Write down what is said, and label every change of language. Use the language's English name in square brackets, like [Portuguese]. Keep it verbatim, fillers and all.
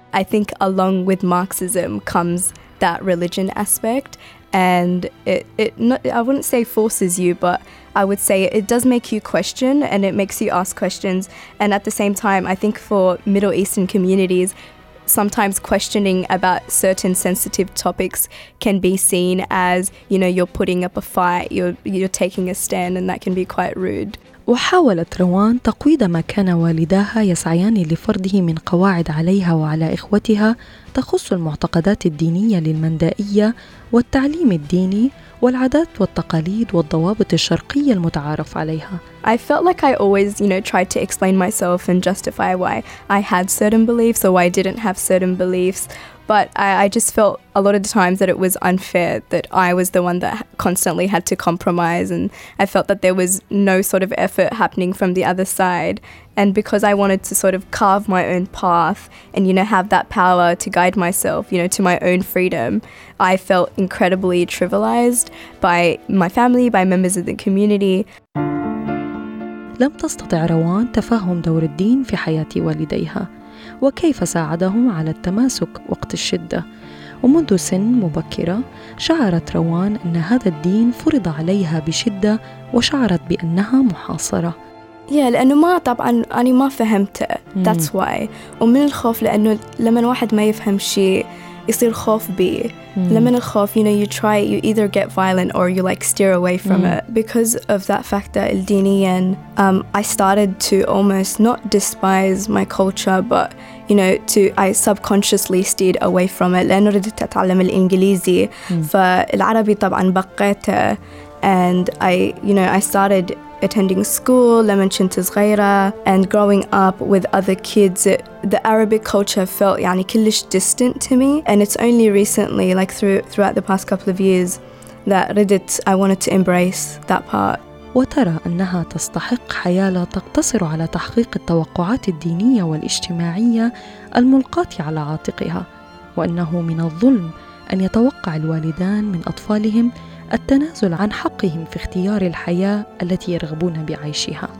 [English] I think along with Marxism comes that religion aspect, and it, it not, I wouldn't say forces you, but I would say it does make you question, and it makes you ask questions. And at the same time, I think for Middle Eastern communities, sometimes questioning about certain sensitive topics can be seen as, you know, you're putting up a fight, you're, you're taking a stand, and that can be quite rude. [Arabic] وحاولت روان تقويض ما كان والداها يسعيان لفرضه من قواعد عليها وعلى إخوتها تخص المعتقدات الدينية للمندائية والتعليم الديني والعادات والتقاليد والضوابط الشرقية المتعارف عليها. [English] I felt like I always, you know, tried to explain myself and justify why I had certain beliefs or why I didn't have certain beliefs. But I, I just felt a lot of the times that it was unfair that I was the one that constantly had to compromise, and I felt that there was no sort of effort happening from the other side. And because I wanted to sort of carve my own path and, you know, have that power to guide myself, you know, to my own freedom, I felt incredibly trivialized by my family, by members of the community. [Arabic] لم تستطع روان تفهم دور الدين في حياة والديها وكيف ساعدهم على التماسك وقت الشدة، ومنذ سن مبكرة شعرت روان أن هذا الدين فرض عليها بشدة وشعرت بأنها محاصرة. يا لأنه ما طبعاً أنا ما فهمته [English] that's why، [Arabic] ومن الخوف لأنه لما واحد ما يفهم شيء يصير خوف بيه. لمن الخوف, [English] you know, you try, you either get violent or you like steer away from mm. it. Because of that factor, Aldinian, um, I started to almost not despise my culture, but, you know, to I subconsciously steered away from it. [Arabic] لأنه ردت أتعلم الإنجليزي, فالعربي طبعاً بقيته. [English] And I, you know, I started attending school, [Arabic] لمن كنت صغيرة, [English] and growing up with other kids, it, the Arabic culture felt [Arabic] يعني كلش [English] distant to me. And it's only recently, like through, throughout the past couple of years, that [Arabic] ردت, [English] I wanted to embrace that part. [Arabic] وترى أنها تستحق حياة لا تقتصر على تحقيق التوقعات الدينية والاجتماعية الملقاة على عاتقها, وأنه من الظلم أن يتوقع الوالدان من أطفالهم التنازل عن حقهم في اختيار الحياة التي يرغبون بعيشها.